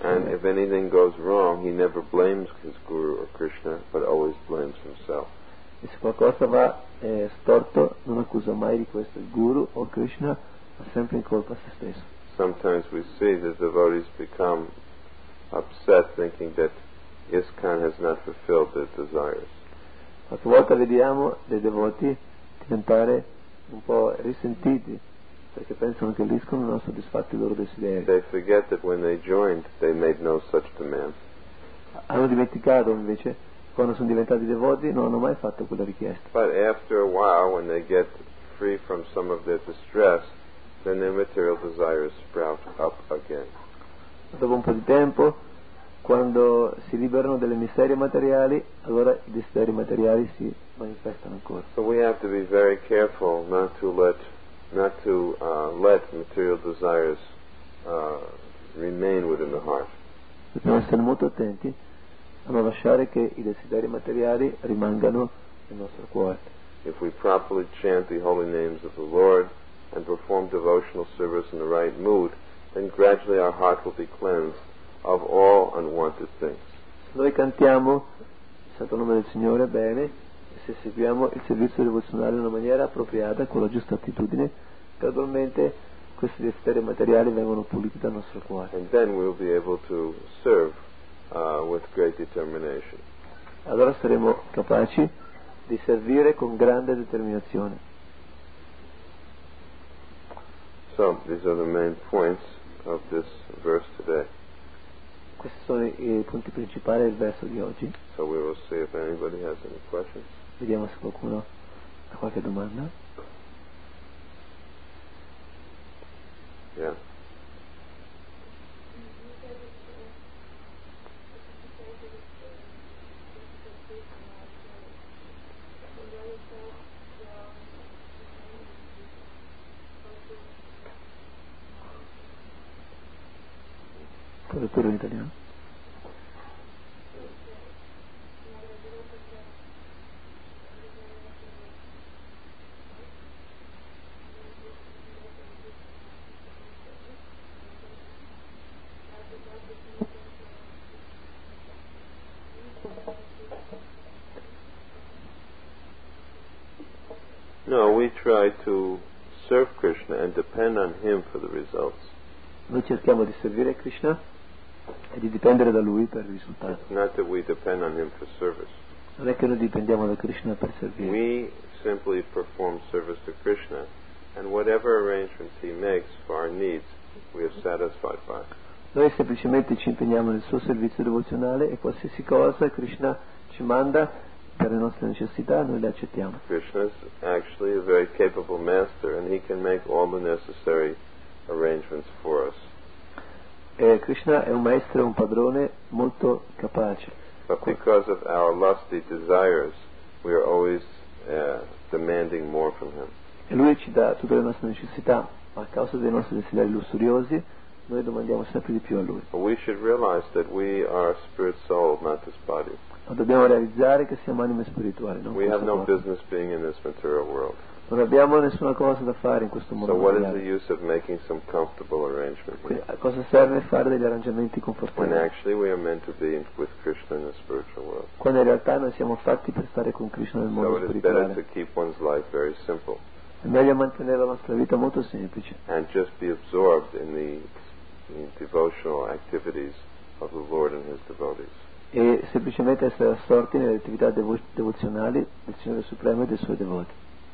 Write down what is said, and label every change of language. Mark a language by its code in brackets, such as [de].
[en] And if anything goes wrong, he never blames his Guru or Krishna, but always blames himself. [it] E se qualcosa va storto, non accusa mai di questo il Guru o Krishna, ma sempre in colpa a se stesso. [en] Sometimes we see the devotees become upset thinking that ISKCON has not fulfilled their desires. [it] Qualche volta vediamo dei devoti diventare un po' risentiti perché pensano che l'ISKCON non ha soddisfatto i loro desideri. [en] They forget that when they joined they made no such demand. [it] Hanno dimenticato invece quando sono diventati devoti non hanno mai fatto quella richiesta. [en] But after a while when they get free from some of their distress then their material desires sprout up again. [it] Dopo un po' di tempo quando si liberano delle miserie materiali allora i desideri materiali si manifestano ancora. [en] So we have to be very careful not to let material desires remain within the heart. [it] Dobbiamo essere molto attenti a non lasciare che i desideri materiali rimangano nel nostro cuore. [en] If we properly chant the holy names of the Lord and perform devotional service in the right mood, then gradually our heart will be cleansed of all unwanted things. [it] Se noi cantiamo il Santo Nome del Signore bene, e se seguiamo il servizio devozionale in una maniera appropriata, con la giusta attitudine, gradualmente questi desideri materiali vengono puliti dal nostro cuore. [en] And then we will be able to serve with great determination. [it] Allora saremo capaci di servire con grande determinazione. [en] So these are the main points of this verse today. [it] Questi sono i punti principali del verso di oggi. [en] So we will see if anybody has any questions. [it] Vediamo se qualcuno ha qualche domanda. [en] Yeah. [it] Traduttore in italiano. [en] No, we try to serve Krishna and depend on him for the results. [it] Noi cerchiamo di servire Krishna e di dipendere da lui per il risultato. [en] Not that we depend on him for service. [it] Non è che noi dipendiamo da Krishna per servire. [en] We simply perform service to Krishna and whatever arrangements he makes for our needs we are satisfied by. [it] Noi semplicemente ci impegniamo nel suo servizio devozionale e qualsiasi cosa Krishna ci manda per le nostre necessità noi le accettiamo. [en] Krishna is actually a very capable master and he can make all the necessary arrangements for us. [it] Krishna è un maestro, un padrone molto capace. [en] But because of our lusty desires, we are always demanding more from him. [it] E lui ci dà tutte le nostre necessità, ma a causa dei nostri desideri lussuriosi, noi domandiamo sempre di più a lui. [en] But we should realize that we are a spirit soul, not this body. [it] Ma dobbiamo realizzare che siamo anime spirituali, non [en] we have no business being in this material world. [it] Non abbiamo nessuna cosa da fare in questo mondo. [en] So what is the use of making some comfortable arrangement? [it] A cosa serve fare degli arrangiamenti confortevoli? [en] When actually we are meant to be with Krishna in the spiritual world. [it] Quando in realtà noi siamo fatti per stare con Krishna nel mondo spirituale. [en] So it is better to keep one's life very simple. [it] È meglio mantenere la nostra vita molto semplice. [en] And just be absorbed in the devotional activities of the Lord and His devotees. [it] E semplicemente essere assorti nelle attività devozionali del Signore Supremo e dei suoi devoti.